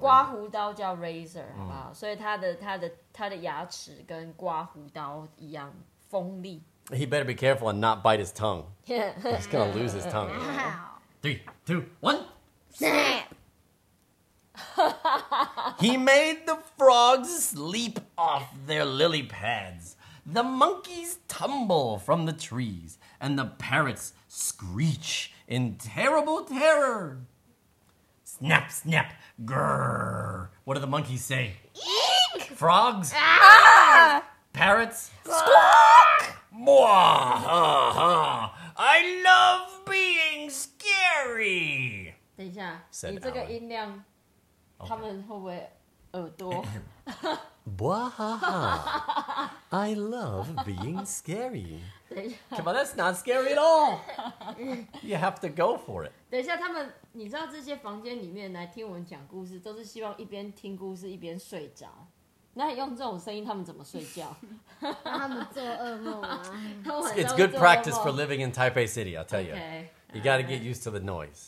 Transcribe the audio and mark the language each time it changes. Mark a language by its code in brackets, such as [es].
[zh] 刮胡刀叫 razor, [en] 好不好？ [zh] 所以他的牙齿跟刮胡刀一样锋利。 [en] He better be careful and not bite his tongue. Yeah. He's gonna lose his tongue. Wow. 3, 2, 1. Snap! He made the frogs sleep off their lily pads. The monkeys tumble from the trees. And the parrots screech in terrible terror. Snap, snap, grrr. What do the monkeys say? Eek! Frogs? Ah! Parrots? Squawk! Mwah, ha, ha. I love being scary. [zh] 等一下，你这个音量，他们会不会耳朵？ [en] Bwah ha ha, I love being scary. Come on, that's not scary at all. You have to go for it. [zh] 等一下，他们，你知道这些房间里面来听我们讲故事，都是希望一边听故事一边睡着。那用这种声音，他们怎么睡觉？他们做噩梦啊！ [en] It's good practice for living in Taipei City, I'll tell you. Okay. You got to get used to the noise.